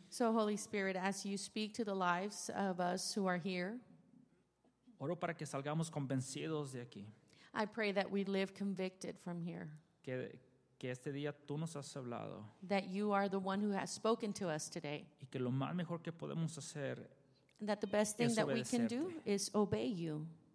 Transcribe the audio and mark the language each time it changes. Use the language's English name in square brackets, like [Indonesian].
[English] So Holy Spirit, as you speak to the lives of us who are here. [Spanish] Oro para que salgamos convencidos de aquí. [English] I pray that we live convicted from here. [Spanish] Que este día tú nos has hablado. [English] That you are the one who has spoken to us today. [Spanish] Y que lo más mejor que podemos hacer. [English] That the best thing that we can do is obey you.